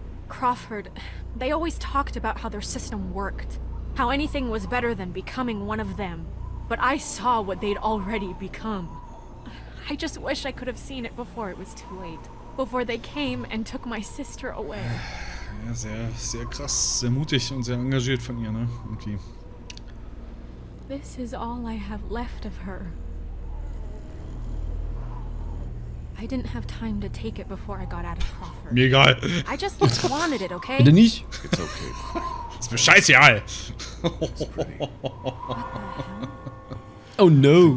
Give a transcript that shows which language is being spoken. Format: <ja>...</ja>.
<en>Crawford, they always talked about how their system worked. How anything was better than becoming one of them. But I saw what they'd already become. I just wish I could have seen it before it was too late. Before they came and took my sister away.</en> <de>Ja, sehr, sehr krass, sehr mutig und sehr engagiert von ihr, ne? Okay.</de> <en>This is all I have left of her. I didn't have time to take it before I got out of Crawford.</en> <de>Mir egal.</de> <en>I just wanted it, okay?</en> <de>Bitte nicht.</de> <en>It's okay.</en> <de>Ist mir scheißegal.</de> <en>What the hell? Oh no!</en>